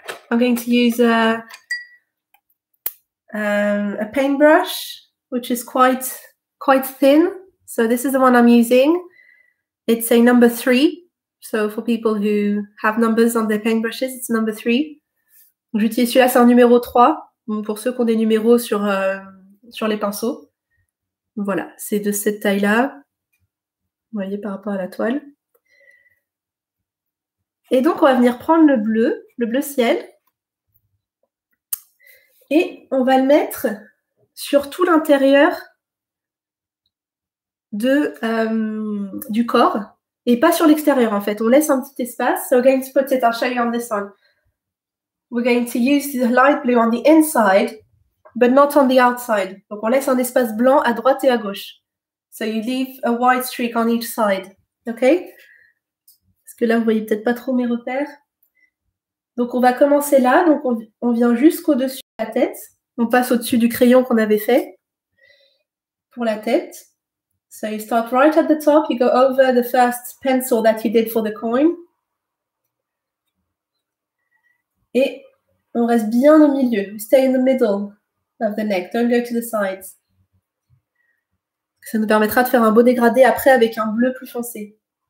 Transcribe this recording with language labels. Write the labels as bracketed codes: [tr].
[en] I'm going to use a paintbrush, which is quite thin. So this is the one I'm using. It's a number 3. So for people who have numbers on their paintbrushes, it's number 3. [fr] J'utilise celui-là, c'est un numéro 3. Bon, pour ceux qui ont des numéros sur, sur les pinceaux. Voilà, c'est de cette taille-là. Vous voyez, par rapport à la toile. Et donc, on va venir prendre le bleu ciel, et on va le mettre sur tout l'intérieur de, du corps, et pas sur l'extérieur, en fait. On laisse un petit espace. [en] So, we're going to put it, I'll show you on this one. We're going to use the light blue on the inside, but not on the outside. [fr] Donc, on laisse un espace blanc à droite et à gauche. [en] So, you leave a white streak on each side, okay? [fr] Que là, vous voyez peut-être pas trop mes repères. Donc, on va commencer là. Donc, on vient jusqu'au-dessus de la tête. On passe au-dessus du crayon qu'on avait fait pour la tête. [en] So, you start right at the top. You go over the first pencil that you did for the coin. [fr] Et on reste bien au milieu. [en] You stay in the middle of the neck. Don't go to the sides. [fr] Ça nous permettra de faire un beau dégradé après avec un bleu plus foncé.